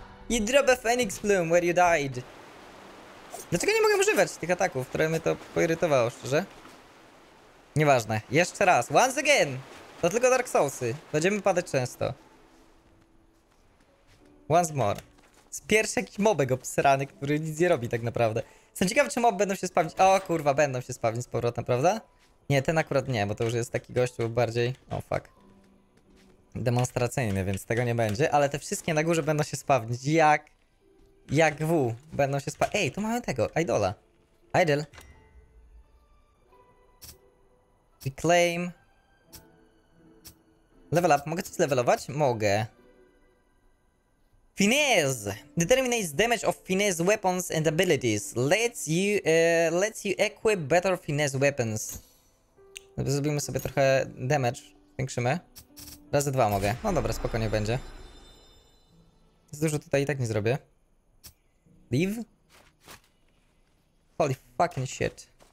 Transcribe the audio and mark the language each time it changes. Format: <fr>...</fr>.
<en>You drop a phoenix plume where you died.</en> <pl>Dlaczego nie mogę używać tych ataków, które mnie to poirytowało, szczerze? Nieważne. Jeszcze raz.</pl> <en>Once again!</en> <pl>To tylko Dark Soulsy. Będziemy padać często.</pl> <en>Once more.</en> <pl>Z pierwszy jakiś mobek obsrany, który nic nie robi tak naprawdę. Jestem ciekawy, czy moby będą się spawnić. O kurwa, będą się spawnić z powrotem, prawda? Nie, ten akurat nie, bo to już jest taki gościu bardziej... O fuck. Demonstracyjny, więc tego nie będzie. Ale te wszystkie na górze będą się spawnić. Jak... Jak w będą się spać. Ej, tu mamy tego, idola. Idol.</pl> <en>Reclaim.</en> <pl>Level up, mogę coś levelować? Mogę. Finesse.</pl> <en>Determines damage of finesse weapons and abilities. Lets you equip better finesse weapons.</en> <pl>Zrobimy sobie trochę damage. Zwiększymy. Razy dwa mogę. No dobra, spokojnie będzie. Za dużo tutaj i tak nie zrobię. Leave?</pl> <en>Holy fucking shit.</en>